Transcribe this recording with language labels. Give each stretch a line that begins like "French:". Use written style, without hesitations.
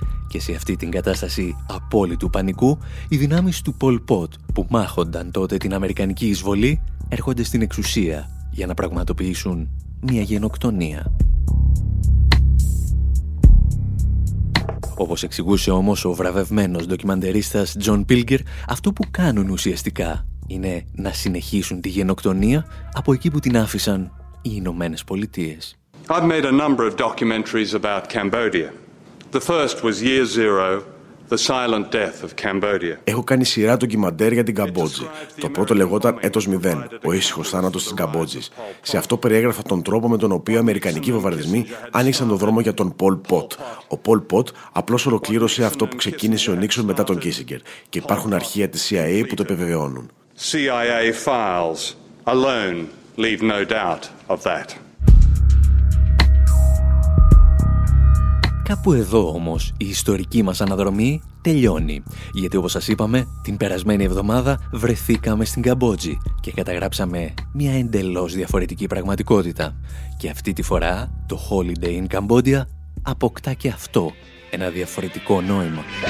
Greek: Και σε αυτή την κατάσταση απόλυτου πανικού, οι δυνάμεις του Pol Pot που μάχονταν τότε την Αμερικανική εισβολή έρχονται στην εξουσία για να πραγματοποιήσουν μια γενοκτονία. Όπως εξηγούσε όμως ο βραβευμένος ντοκιμαντερίστας John Pilger, αυτό που κάνουν ουσιαστικά είναι να συνεχίσουν τη γενοκτονία από εκεί που την άφησαν οι Ηνωμένες Πολιτείες.
English: I've made a number of documentaries about Cambodia. The first was Year Zero, The Silent Death of Cambodia.
Greek: Έχω κάνει σειρά ντοκιμαντέρ για την Καμπότζη. Το πρώτο λεγόταν Έτος Μηδέν, ο ήσυχος θάνατος της Καμπότζης. Σε αυτό περιέγραφα τον τρόπο με τον οποίο αμερικανικοί βομβαρδισμοί άνοιξαν τον δρόμο για τον Pol Pot. Ο Pol Pot απλώς ολοκλήρωσε αυτό που ξεκίνησε ο Νίξον μετά τον Κίσιγκερ και υπάρχουν αρχεία της CIA που το επιβεβαιώνουν.
English: CIA files alone leave no doubt of that.
Greek: Κάπου εδώ όμως η ιστορική μας αναδρομή τελειώνει, γιατί όπως σας είπαμε, την περασμένη εβδομάδα βρεθήκαμε στην Καμπότζη και καταγράψαμε μια εντελώς διαφορετική πραγματικότητα. Και αυτή τη φορά το Holiday in Cambodia αποκτά και αυτό ένα διαφορετικό νόημα.